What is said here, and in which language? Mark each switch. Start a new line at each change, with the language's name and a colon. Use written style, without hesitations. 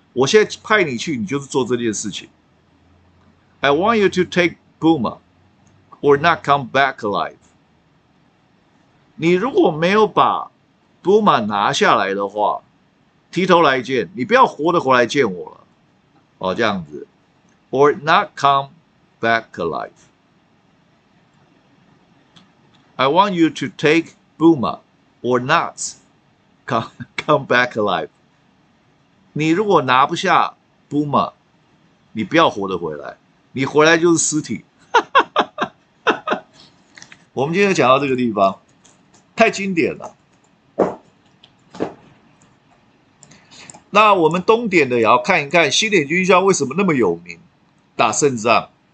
Chinese: 我现在派你去，你就是做这件事情。
English: I want you to take Buma, or not come back alive。
Chinese: 你如果没有把 Buma 拿下来的话，提头来见，你不要活得回来见我了。哦，这样子。
English: Or not come。 Back alive. I want you to take Buma or not come back alive.
Chinese: 你如果拿不下 Buma, 你不要活得回来，你回来就是尸体。我们今天讲到这个地方，太经典了。那我们东点的也要看一看，西点军校为什么那么有名，打胜仗。